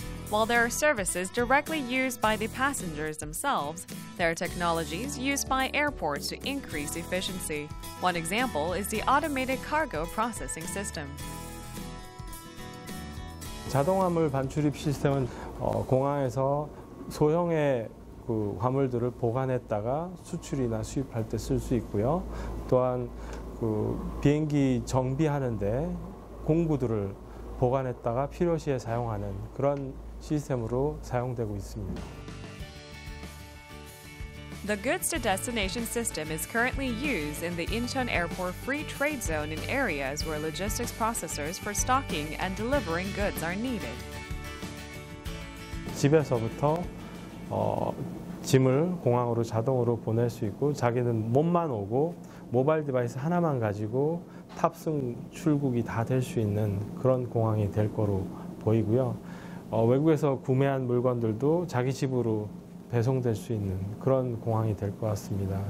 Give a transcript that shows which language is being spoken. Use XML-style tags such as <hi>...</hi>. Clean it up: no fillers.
<en>While there are services directly used by the passengers themselves, there are technologies used by airports to increase efficiency. One example is the automated cargo processing system.</en> <ko>자동 화물 반출입 시스템은 공항에서 소형의 그 화물들을 보관했다가 수출이나 수입할 때 쓸 수 있고요. 또한 그 비행기 정비하는데 공구들을 보관했다가 필요 시에 사용하는 그런 시스템으로 사용되고 있습니다.</ko> <en>The goods to destination system is currently used in the Incheon Airport Free Trade Zone in areas where logistics processors for stocking and delivering goods are needed.</en> <ko>집에서부터 짐을 공항으로 자동으로 보낼 수 있고 자기는 몸만 오고 모바일 디바이스 하나만 가지고 탑승 출국이 다 될 수 있는 그런 공항이 될 거로 보이고요. 외국에서 구매한 물건들도 자기 집으로 배송될 수 있는 그런 공항이 될 것 같습니다.</ko>